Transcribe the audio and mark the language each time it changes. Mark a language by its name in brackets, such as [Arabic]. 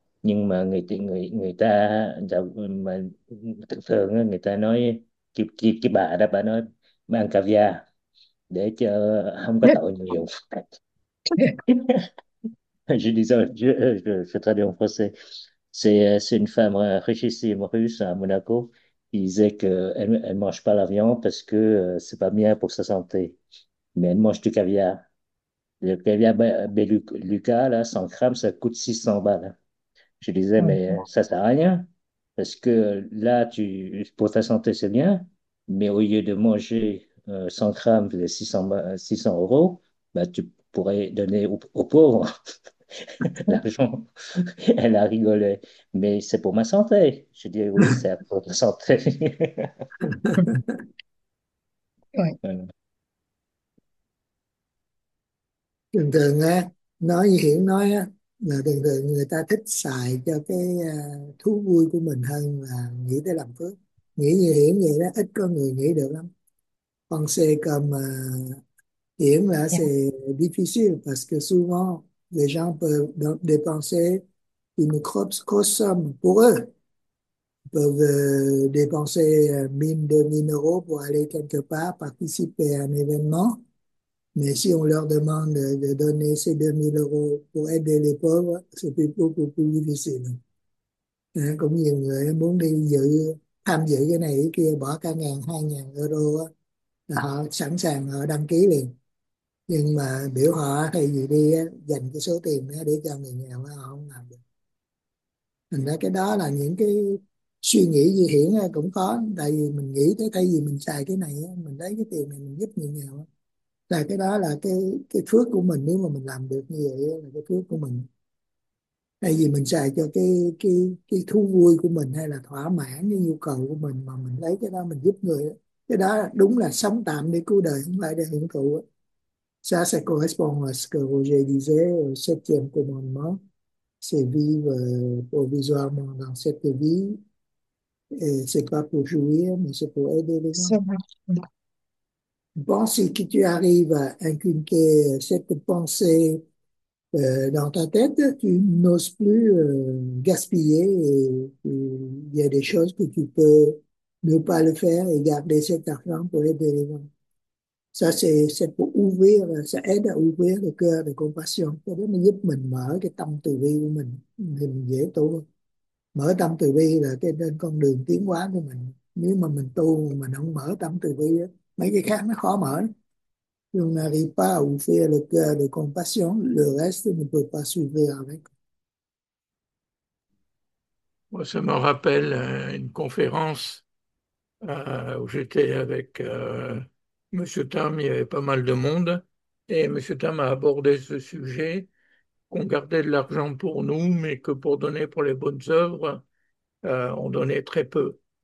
[Vietnamese] Nhưng mà người người người ta mà thường thường người ta nói cái bà đó, bà nói mang caviar để cho không có tội nhiều. [French] Je traduis en français. C'est une femme richissime russe à Monaco. Il disait qu'elle ne mange pas la viande parce que c'est pas bien pour sa santé. Mais elle mange du caviar. Le caviar Beluga, là, 100 grammes, ça coûte 600 balles. Je disais, mais ça sert à rien. Parce que là, pour ta santé, c'est bien. Mais au lieu de manger 100 grammes de 600 euros, bah, tu pourrais donner aux pauvres l'argent. Elle a rigolé. Mais c'est pour ma santé. Je dis, oui, c'est pour ta santé. Voilà. [Vietnamese] Thường thường á, nói như Hiển nói á, là thường thường người ta thích xài cho cái thú vui của mình hơn là nghĩ tới làm phước. Nghĩ như Hiển vậy đó, ít có người nghĩ được lắm. Con xe cầm Hiển là [English] Yeah. [French] c'est difficile parce que souvent les gens peuvent dépenser une grosse somme pour eux. Peuvent dépenser 1 000, 2 000 euros pour aller quelque part, participer à un événement. Mais si on leur demande de donner ces 2 000 euros pour aider les pauvres, c'est beaucoup plus difficile. [Vietnamese] Hein, cũng nhiều người muốn đi tham dự cái này cái kia, bỏ cả 1.000, 2.000 euro, là họ sẵn sàng họ đăng ký liền. Nhưng mà biểu họ thay vì đi dành cái số tiền đó để cho người nghèo, họ không làm được. Thành ra cái đó là những cái suy nghĩ gì Hiển cũng có, tại vì mình nghĩ tới thay vì mình xài cái này, mình lấy cái tiền này mình giúp người nghèo, là cái đó là cái phước của mình. Nếu mà mình làm được như vậy là cái phước của mình, thay vì mình xài cho cái thú vui của mình hay là thỏa mãn cái nhu cầu của mình, mà mình lấy cái đó mình giúp người, cái đó đúng là sống tạm để cứu đời, không phải để hưởng thụ. [French] Ça correspond à ce que Roger disait au septième commandement, c'est vivre provisoirement dans cette vie. Et c'est pas pour jouir, mais c'est pour aider les gens. Bon, si tu arrives à inculquer cette pensée dans ta tête, tu n'oses plus gaspiller, il y a des choses que tu peux ne pas le faire et garder cet argent pour aider les gens. Ça, c'est pour ouvrir, ça aide à ouvrir le cœur de compassion. [Vietnamese] Ça nó giúp mình mở cái tâm từ bi của mình dễ tu. Mở tâm từ bi là cái trên con đường tiến hóa của mình. Nếu mà mình tu mà mình không mở tâm từ bi đó, mấy cái khác nó khó mở. Nhưng [French] n'arrive pas à ouvrir le cœur de compassion, le reste ne peut pas s'ouvrir avec. Ça me rappelle une conférence où j'étais avec M. Tam, il y avait pas mal de monde, et M. Tam a abordé ce sujet, qu'on gardait de l'argent pour nous, mais que pour donner pour les bonnes œuvres, on donnait très peu.